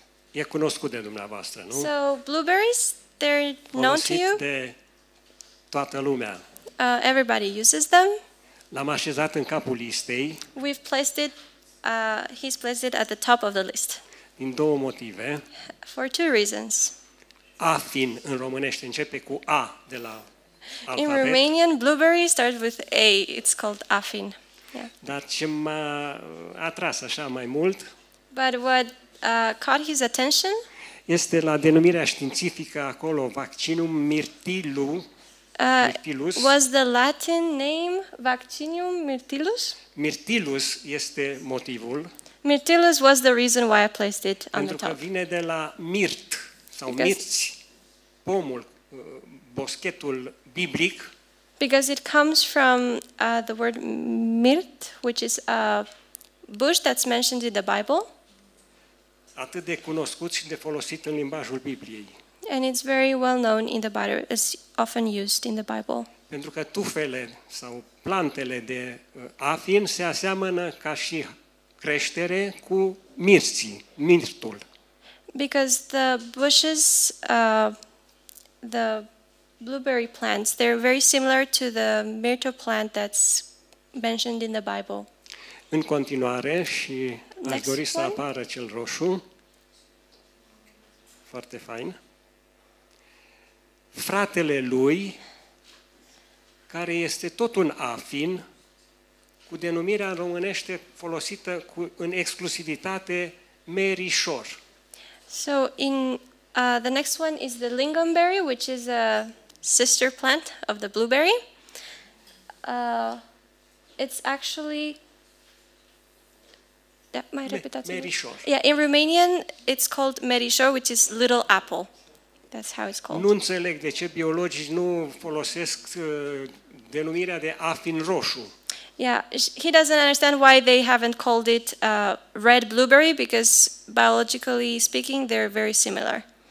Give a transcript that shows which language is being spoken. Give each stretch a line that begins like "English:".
Romanian: E cunoscut de dumneavoastră, nu?
English: So, blueberries, they're known to you?
Romanian: Folosit de toată lumea.
English: Everybody uses them.
Romanian: L-am așezat în capul listei.
English: We've placed it, he's placed it at the top of the list.
Romanian: Din două motive.
English: For two reasons.
Romanian: A fin în românește începe cu A de la alfabet.
English: In Romanian, blueberry starts with A. It's called a fin. Yeah.
Romanian: Dar ce m-a atras așa mai mult?
English: But what caught his attention?
Romanian: Este la denumirea științifică acolo, vaccinum mirtilu.
English: Was the Latin name vaccinium mirtilus?
Romanian: Mirtilus este motivul.
English: Mirtilus was the reason why I placed it on the top.
Romanian: Pentru că vine de la mirt sau mirți, pomul, boschetul biblic.
English: Because it comes from the word mirt, which is a bush that's mentioned in the Bible.
Romanian: Atât de cunoscut și de folosit în limbajul Bibliei.
English: And it's very well known in the Bible, it's often used in the Bible.
Romanian: Pentru că tufele sau plantele de afin se aseamănă ca și creștere cu mirții, mirtul.
English: Because the bushes, the blueberry plants, they're very similar to the myrtle plant that's mentioned in the Bible.
Romanian: În continuare și aș dori să apară cel roșu. Foarte fain. Fratele lui, care este tot un afin, cu denumirea în românește folosită cu, în exclusivitate, merișor.
English: So, in the next one is the lingonberry, which is a sister plant of the blueberry. It's actually... That might have been that's
Romanian: merișor.
English: Yeah, in Romanian, it's called merișor, which is little apple. That's how it's called.
Romanian: Nu înțeleg de ce biologii nu folosesc denumirea de afin roșu.
English: Yeah, he doesn't understand why they haven't called it red blueberry, because biologically speaking, they're very similar.